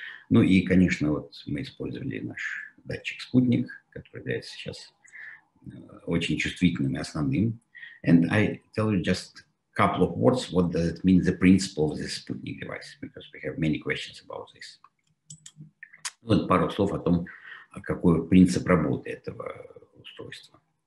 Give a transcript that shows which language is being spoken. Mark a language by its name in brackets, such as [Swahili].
[Russian] Ну и, конечно, вот мы использовали наш датчик Sputnik, который является сейчас очень чувствительным и основным. [English] And I tell you just a couple of words, what does it mean, the principle of this Sputnik device, because we have many questions about this. [Russian] Вот пару слов о том, какой принцип работы этого устройства.